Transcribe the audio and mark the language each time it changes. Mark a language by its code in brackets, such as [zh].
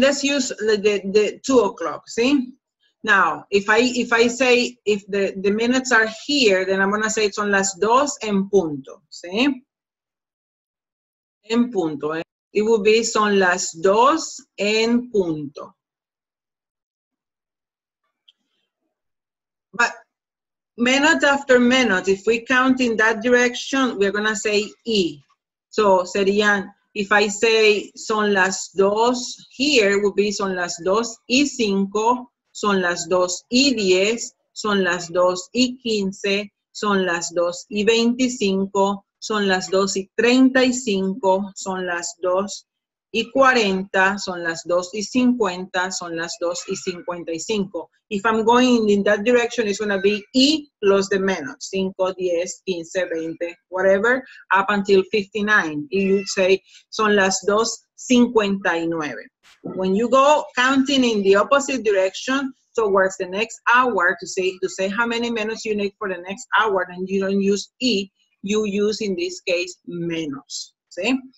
[en] Let's use the 2 o'clock. ¿Sí? Now, if I say if the minutes are here, then I'm going to say [es] son las dos en punto. [en] ¿Sí? [es] En punto, ¿eh? [en] It will be [es] son las dos en punto. [en] But minute after minute, if we count in that direction, we're going to say E. So serían, if I say [es] son las dos here, [en] it will be [es] son las dos y cinco, son las dos y diez, son las dos y quince, son las dos y veinticinco, son las 2 y 35, son las 2 y 40, son las 2 y 50, son las 2 y 55. [en] If I'm going in that direction, it's going to be E plus the minutes. 5, 10, 15, 20, whatever, up until 59. You say, [es] son las 2, 59. [en] When you go counting in the opposite direction towards the next hour, to say how many minutes you need for the next hour, and you don't use E, you use, in this case, [es] menos, ¿sí?